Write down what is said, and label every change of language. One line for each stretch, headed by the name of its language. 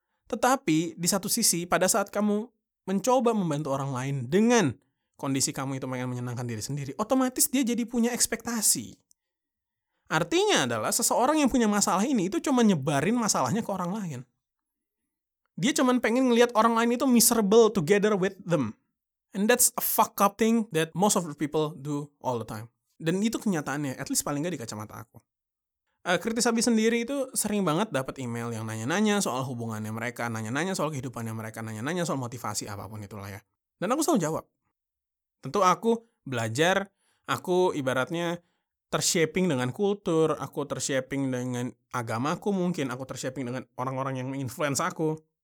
Indonesian: Tetapi, di satu sisi, pada saat kamu mencoba membantu orang lain dengan kondisi kamu itu pengen menyenangkan diri sendiri, otomatis dia jadi punya ekspektasi. Artinya adalah, seseorang yang punya masalah ini, itu cuma nyebarin masalahnya ke orang lain. Dia cuma pengen ngelihat orang lain itu
English: miserable together with them. And that's a fuck up thing that most of the people do all the time.
Indonesian: Dan itu kenyataannya,
English: at least
Indonesian: paling nggak di kacamata aku. Kritis Abi sendiri itu sering banget dapat email yang nanya-nanya soal hubungannya mereka, nanya-nanya soal kehidupannya mereka, nanya-nanya soal motivasi apapun itulah ya. Dan aku selalu jawab. Tentu aku belajar, aku ibaratnya tershaping dengan kultur, aku tershaping dengan agamaku mungkin, aku tershaping dengan orang-orang yang menginfluence aku.